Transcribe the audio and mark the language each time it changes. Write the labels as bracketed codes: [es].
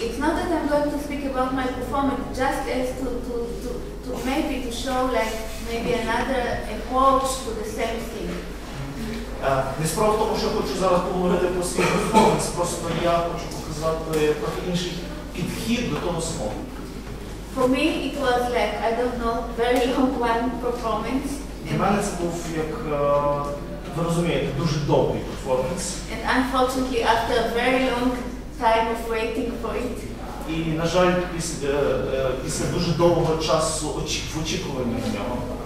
[en] It's not that I'm going to speak about my performance, just as to maybe to show like maybe another approach to the same thing. [uk] Не справа в тому, що я хочу зараз поговорити про свій перформанс, просто я хочу показати трохи інший підхід до того самого. [en] For me it was like, I don't know, very long one performance. [uk] Для мене це був як, ви розумієте, дуже довгий перформанс. [en] And unfortunately after a very long time of waiting for it. [uk] І, на жаль, після дуже довгого часу в очікуванні на нього.